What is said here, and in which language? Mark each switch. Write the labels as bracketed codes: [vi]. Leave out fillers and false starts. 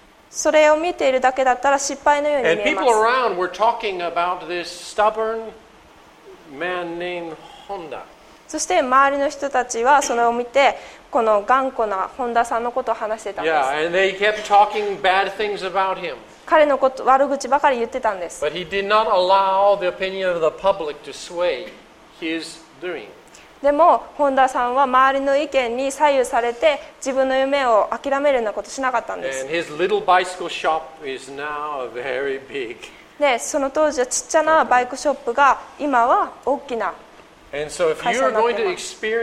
[ja] それを見ているだけだったら失敗のように見えます。 [en] And people around were talking about this stubbornMan named Honda. [ja] そして周りの人たちはそれを見てこの頑固な本田さんのことを話してたんです。 [en] Yeah, and they kept talking bad things about him. [ja] 彼のこと悪口ばかり言ってたんです。 [en] But he did not allow the opinion of the public to sway his dream. [ja] でも本田さんは周りの意見に左右されて自分の夢を諦めるようなことしなかったんです。 [en] And his little bicycle shop is now a very big. [ja] でその当時はちっちゃなバイクショップが今は大きな会社になっています。